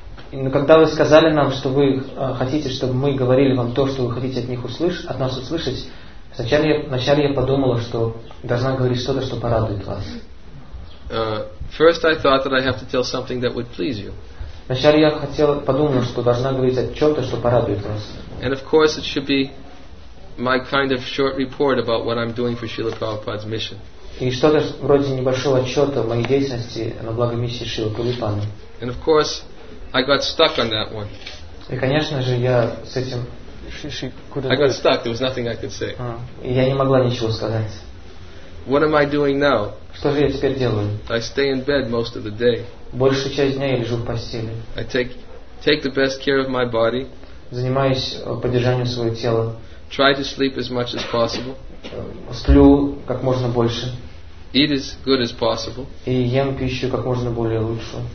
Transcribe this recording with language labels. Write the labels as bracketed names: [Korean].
[Russian] Но когда вы сказали нам, что вы хотите, чтобы мы говорили вам то, что вы хотите от них услышать, от нас услышать, вначале я подумала, что должна говорить что-то, что порадует вас. [English] First I thought that I have to tell something that would please you. [Russian] Вначале я хотела подумала, что должна говорить о чем-то, что порадует вас. [English] And of course it should be my kind of short report about what I'm doing for Srila Prabhupada's mission. [Russian] И что-то вроде небольшого отчета о моей деятельности на благо миссии Шрилы Прабхупады. [English] And of course I got stuck on that one. [Russian] И конечно же я с этим. [English] I got stuck. There was nothing I could say. [Russian] Я не могла ничего сказать. [English] What am I doing now? [Russian] Что же я теперь делаю? [English] I stay in bed most of the day. [Russian] Большую часть дня я лежу в постели. [English] I take the best care of my body. [Russian] Занимаюсь поддержанием своего тела. [English] Try to sleep as much as possible. [Russian] Сплю как можно больше. [English] Eat as good as possible. [Russian] И ем пищу как можно более лучше.